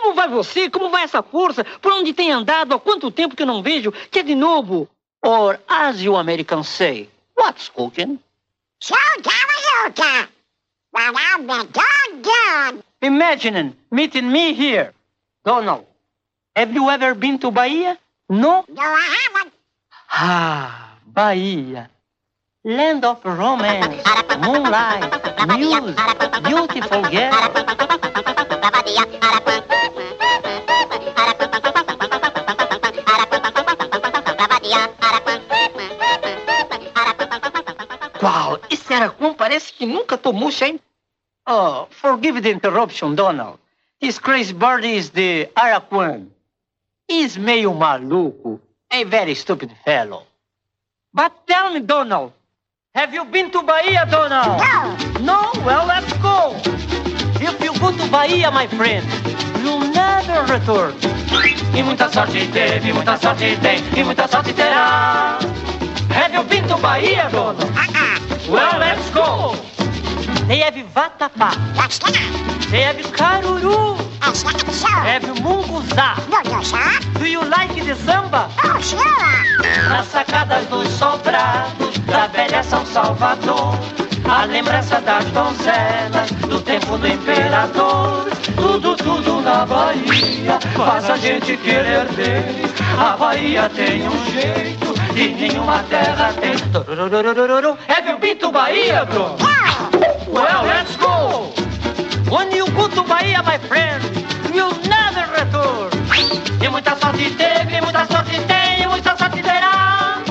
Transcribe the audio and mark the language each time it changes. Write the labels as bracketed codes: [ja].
[pt] Você, como vai essa força? Por onde tem andado? Há quanto tempo que eu não vejo? Que é de novo? [en] Or, as you Americans say, what's cooking? Sure, Tarazuka. Well, I'll be doggone. Imagining meeting me here. Donald, have you ever been to Bahia? No? No, I haven't. Ah, Bahia. Land of romance, moonlight, music, beautiful girl. [pt] Uau, esse Aracum parece que nunca tomou chá. [en] Oh, forgive the interruption, Donald. This crazy bird is the Aracum. He's [pt] meio maluco. [en] A very stupid fellow. But tell me, Donald, have you been to Bahia, Donald? No. No? Well, let's go. If you go to Bahia, my friend, you'll never return. [pt] E muita sorte teve, muita sorte tem, e muita sorte terá. [en] Have you been to Bahia, Donald? Uh-uh. Well, let's go. They have vatapá. What's that? They have caruru. That's not the show. Have munguzá. No, no, sir. Do you like the samba? Oh, sure. [pt] Nas sacadas dos sobrados da velha São Salvador, a lembrança das donzelas do tempo do imperador. Tudo, tudo na Bahia faz a gente querer ver. A Bahia tem jeito que nenhuma terra tem. Turururururu. [en] Have you been to Bahia, bro? Yeah. Well, let's go. When you go to Bahia, my friend, you'll never return. [pt] E muita sorte teve, muita sorte tem, e muita sorte terá.